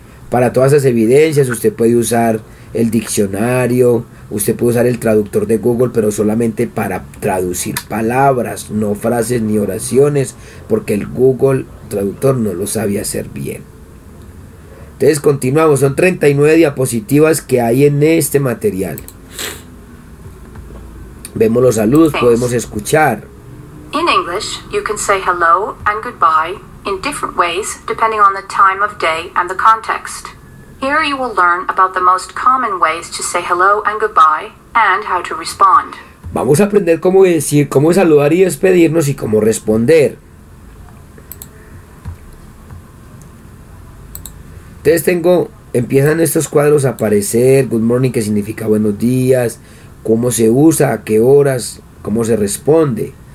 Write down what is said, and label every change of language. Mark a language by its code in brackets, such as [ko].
[es] para todas esas evidencias usted puede usar el diccionario, usted puede usar el traductor de Google, pero solamente para traducir palabras, no frases ni oraciones, porque el Google traductor no lo sabe hacer bien. Entonces continuamos, son 39 diapositivas que hay en este material. Vemos los saludos, podemos escuchar. [en] In English, you can say hello and goodbye in different ways depending on the time of day and the context. Here you will learn about the most common ways to say hello and goodbye and how to respond. [es] Vamos a aprender cómo decir, cómo saludar y despedirnos y cómo responder. Entonces tengo, empiezan estos cuadros a aparecer, [en] good morning, [es] que significa buenos días, cómo se usa, a qué horas, cómo se responde.